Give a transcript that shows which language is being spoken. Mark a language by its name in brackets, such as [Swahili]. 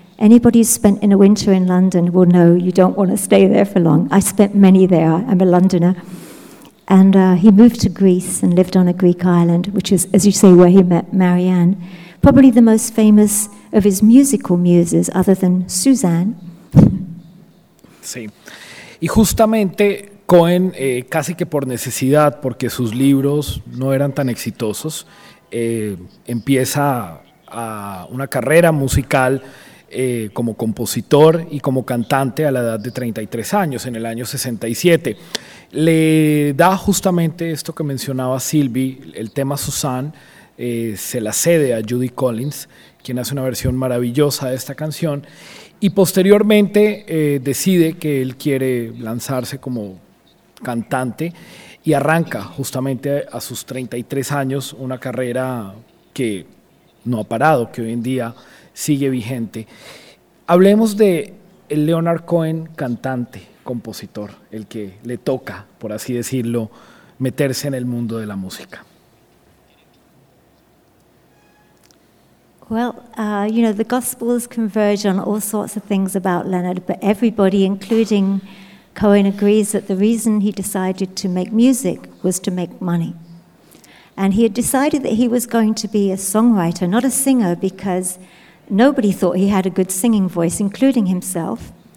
[English] Anybody who's spent in a winter in London will know you don't want to stay there for long. I spent many there. I'm a Londoner. And he moved to Greece and lived on a Greek island, which is, as you say, where he met Marianne, probably the most famous of his musical muses, other than Suzanne. [Spanish] Sí. Y justamente Cohen, casi que por necesidad, porque sus libros no eran tan exitosos, empieza a una carrera musical como compositor y como cantante a la edad de 33 años, en el año 67. Le da justamente esto que mencionaba Silvi, el tema Suzanne, se la cede a Judy Collins, quien hace una versión maravillosa de esta canción, y posteriormente decide que él quiere lanzarse como cantante y arranca justamente a sus 33 años una carrera que no ha parado, que hoy en día sigue vigente. Hablemos de el Leonard Cohen cantante, compositor, el que le toca, por así decirlo, meterse en el mundo de la música. [English] Well, you know, the Gospels converge on all sorts of things about Leonard, but everybody, including Cohen, agrees that the reason he decided to make music was to make money. And he had decided that he was going to be a songwriter, not a singer, because nobody thought he had a good singing voice, including himself.